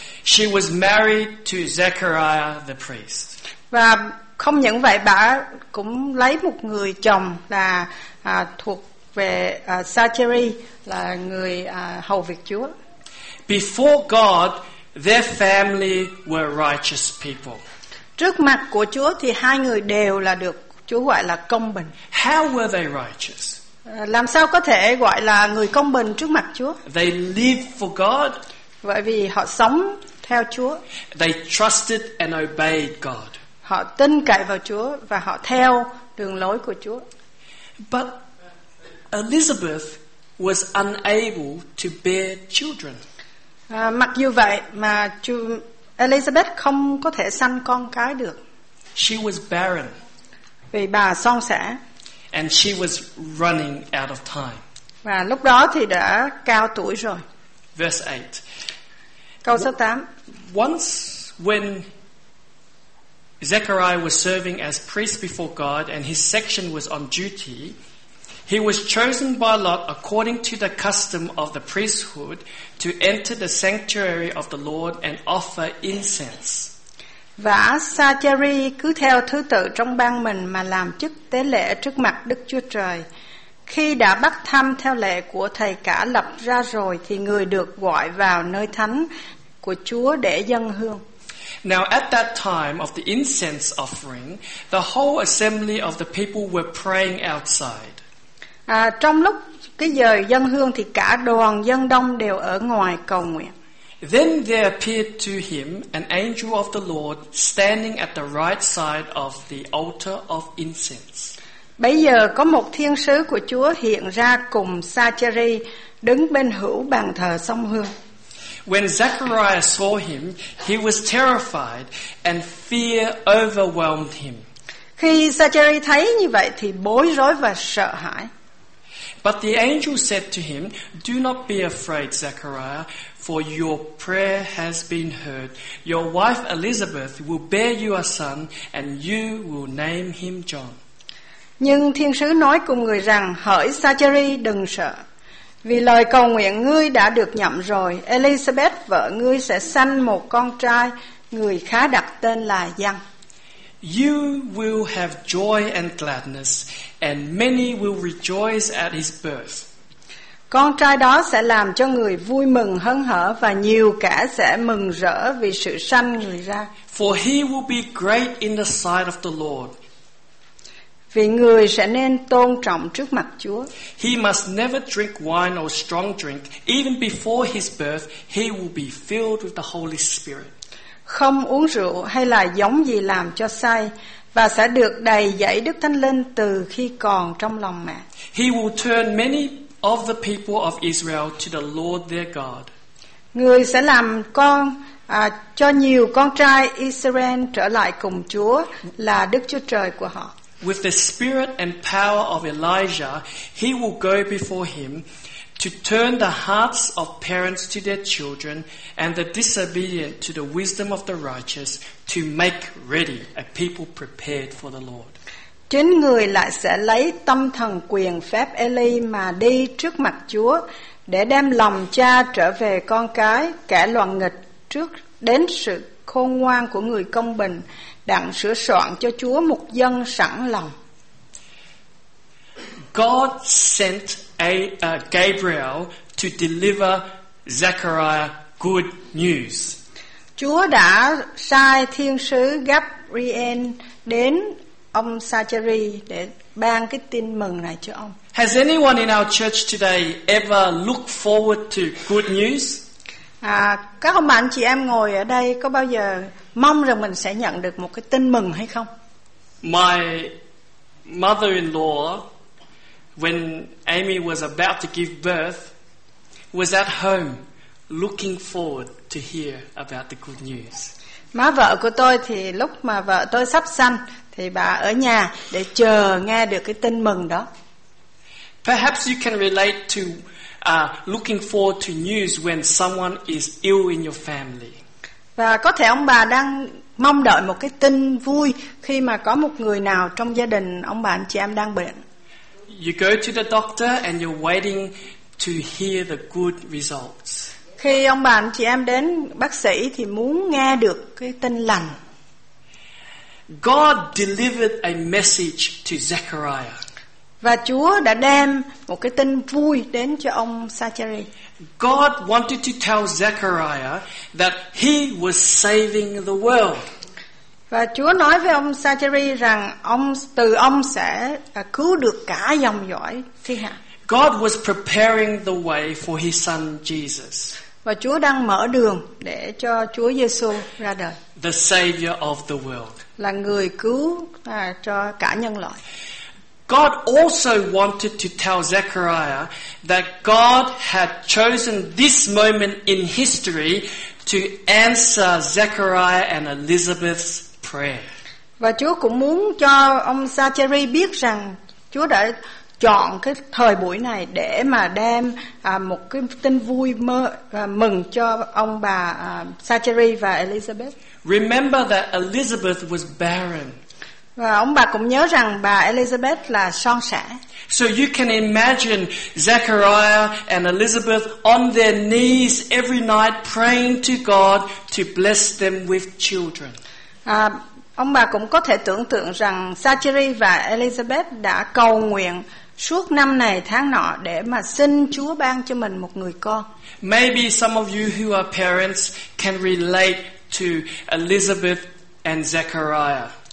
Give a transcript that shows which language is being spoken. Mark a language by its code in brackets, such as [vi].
[en] She was married to Zechariah the priest. [vi] Và không những vậy, bà cũng lấy một người chồng là thuộc về Zachary, là người hầu việc Chúa. [en] Before God, their family were righteous people. [vi] Trước mặt của Chúa thì hai người đều là được Chúa gọi là công bình. [en] How were they righteous? [vi] Làm sao có thể gọi là người công bình trước mặt Chúa? [en] They lived for God. [vi] Bởi vì họ sống theo Chúa. [en] They trusted and obeyed God. [vi] Họ tin cậy vào Chúa và họ theo đường lối của Chúa. [en] But Elizabeth was unable to bear children. [vi] Mặc dù vậy mà Elizabeth không có thể sanh con cái được. [en] She was barren. [vi] Vì bà son sẻ. [en] And she was running out of time. [vi] Và lúc đó thì đã cao tuổi rồi. [en] Verse 8. [vi] Câu số 8. [en] Once when Zechariah was serving as priest before God and his section was on duty, he was chosen by lot according to the custom of the priesthood to enter the sanctuary of the Lord and offer incense. [vi] Và Zachary cứ theo thứ tự trong ban mình mà làm chức tế lễ trước mặt Đức Chúa Trời. Khi đã bắt thăm theo lệ của thầy cả lập ra rồi thì người được gọi vào nơi thánh của Chúa để dâng hương. [en] Now at that time of the incense offering, the whole assembly of the people were praying outside. [vi] Trong lúc cái giờ dâng hương thì cả đoàn dân đông đều ở ngoài cầu nguyện. [en] Then there appeared to him an angel of the Lord standing at the right side of the altar of incense. [vi] Bây giờ có một thiên sứ của Chúa hiện ra cùng Zachary đứng bên hữu bàn thờ song hương. [en] When Zechariah saw him, he was terrified and fear overwhelmed him. [vi] Khi Zechariah thấy như vậy thì bối rối và sợ hãi. [en] But the angel said to him, "Do not be afraid, Zechariah, for your prayer has been heard. Your wife Elizabeth will bear you a son, and you will name him John." [vi] Nhưng thiên sứ nói cùng người rằng, hỡi Zachary, đừng sợ. Vì lời cầu nguyện ngươi đã được nhậm rồi, Elizabeth vợ ngươi sẽ sanh một con trai, người khá đặt tên là Giăng. [en] You will have joy and gladness, and many will rejoice at his birth. [vi] Con trai đó sẽ làm cho người vui mừng hân hở và nhiều kẻ sẽ mừng rỡ vì sự sanh người ra. [en] For he will be great in the sight of the Lord. [vi] Vì người sẽ nên tôn trọng trước mặt Chúa. [en] He must never drink wine or strong drink. Even before his birth, he will be filled with the Holy Spirit. [vi] Không uống rượu hay là giống gì làm cho say và sẽ được đầy dẫy Đức Thánh Linh từ khi còn trong lòng mẹ. [en] He will turn many of the people of Israel to the Lord their God. [vi] Người sẽ làm con cho nhiều con trai Israel trở lại cùng Chúa là Đức Chúa Trời của họ. [en] With the spirit and power of Elijah, he will go before him to turn the hearts of parents to their children and the disobedient to the wisdom of the righteous to make ready a people prepared for the Lord. [vi] Chính người lại sẽ lấy tâm thần quyền phép Eli mà đi trước mặt Chúa để đem lòng cha trở về con cái, kẻ loạn nghịch trước đến sự khôn ngoan của người công bình, đặng sửa soạn cho Chúa một dân sẵn lòng. [en] God sent Gabriel to deliver Zechariah good news. [vi] Chúa đã sai thiên sứ Gabriel đến ông Sacheri để ban cái tin mừng này cho ông. [en] Has anyone in our church today ever looked forward to good news? [vi] Các ông bạn chị em ngồi ở đây có bao giờ mong rằng mình sẽ nhận được một cái tin mừng hay không? [en] My mother-in-law, when Amy was about to give birth, was at home looking forward to hear about the good news. [vi] Má vợ của tôi thì lúc mà vợ tôi sắp sanh thì bà ở nhà để chờ nghe được cái tin mừng đó. [en] Perhaps you can relate to looking forward to news when someone is ill in your family. [vi] Và có thể ông bà đang mong đợi một cái tin vui khi mà có một người nào trong gia đình ông bà anh chị em đang bệnh. [en] You go to the doctor and you're waiting to hear the good results. [vi] Khi ông bà anh chị em đến bác sĩ thì muốn nghe được cái tin lành. [en] God delivered a message to Zechariah. [vi] Và Chúa đã đem một cái tin vui đến cho ông Zachary. [en] God wanted to tell Zechariah that he was saving the world. [vi] Và Chúa nói với ông Zachary rằng ông sẽ cứu được cả dòng dõi thiên hạ. [en] God was preparing the way for his son Jesus. [vi] Và Chúa đang mở đường để cho Chúa Giêsu ra đời. [en] The savior of the world. [vi] Là người cứu cho cả nhân loại. [en] God also wanted to tell Zechariah that God had chosen this moment in history to answer Zechariah and Elizabeth's prayer. [vi] Và Chúa cũng muốn cho ông Zachary biết rằng Chúa đã chọn cái thời buổi này để mà đem một cái tin vui mừng cho ông bà Zachary và Elizabeth. [en] Remember that Elizabeth was barren. [vi] Và ông bà cũng nhớ rằng bà Elizabeth là son sẻ. [en] So you can imagine Zechariah and Elizabeth on their knees every night praying to God to bless them with children. [vi] Ông bà cũng có thể tưởng tượng rằng Zachary và Elizabeth đã cầu nguyện suốt năm này tháng nọ để mà xin Chúa ban cho mình một người con. [en] Maybe some of you who are parents can relate to Elizabeth and Zechariah.